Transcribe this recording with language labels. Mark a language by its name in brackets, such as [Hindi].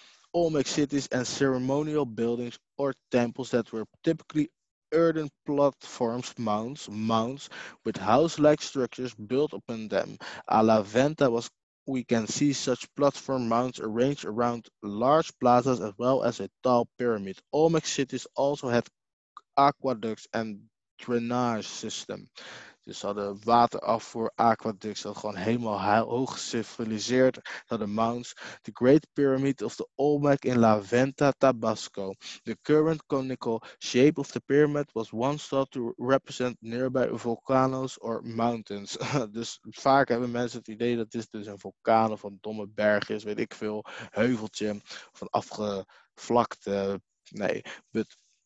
[English] Olmec cities and ceremonial buildings or temples that were typically earthen platforms, mounds, with house-like structures built upon them. A La Venta was, we can see such platform mounds arranged around large plazas as well as a tall pyramid. Olmec cities also had aqueducts and drainage system. [Dutch] Dus ze hadden waterafvoer, aqueducts, dat gewoon helemaal hoog geciviliseerd. Dat de [English] mounds, the Great Pyramid of the Olmec in La Venta, Tabasco. The current conical shape of the pyramid was once thought to represent nearby volcanoes or mountains. [Dutch] Dus vaak hebben mensen het idee dat dit dus een vulkaan of een domme berg is, weet ik veel, heuveltje of een afgevlakte, nee, but